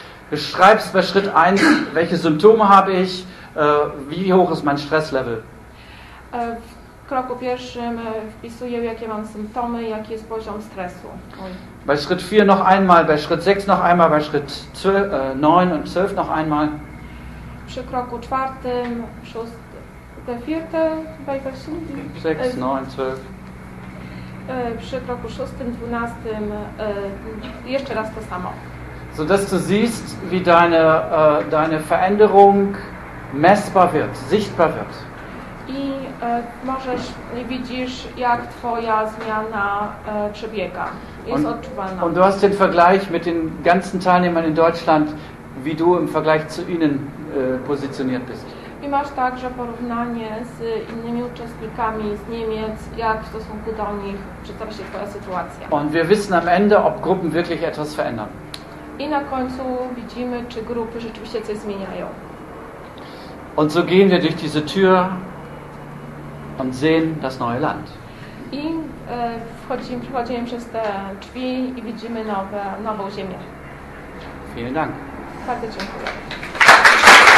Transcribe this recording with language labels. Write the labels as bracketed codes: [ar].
[de] Beschreibst bei Schritt 1, welche Symptome habe ich, wie hoch ist mein Stresslevel. [pl] W kroku pierwszym wpisuję, jakie mam symptomy, jaki jest poziom stresu. [de] Bei Schritt 4 noch einmal, bei Schritt 6 noch einmal, bei Schritt 9 und 12 noch einmal. [pl] Przy kroku czwartym, szóstym, [de] vierte, bei was sind die? 6, 9, 12. [pl] Przy kroku szóstym, dwunastym, jeszcze raz to samo. [de] So dass du siehst, wie deine Veränderung messbar wird, sichtbar wird. [pl] I możesz, widzisz, jak twoja zmiana przebiega. [de] Und du hast den Vergleich mit den ganzen Teilnehmern in Deutschland, wie du im Vergleich zu ihnen positioniert bist. [pl] I masz także porównanie z innymi uczestnikami z Niemiec, jak w stosunku do nich przedstawia się twoja sytuacja. [de] Und wir wissen am Ende, ob Gruppen wirklich etwas verändern. [pl] I na końcu widzimy, czy grupy rzeczywiście coś zmieniają. [de] Und so gehen wir durch diese Tür und sehen das neue Land. [pl] I przechodzimy przez te drzwi i widzimy nową ziemię. [de] Vielen Dank. [pl] Bardzo dziękuję.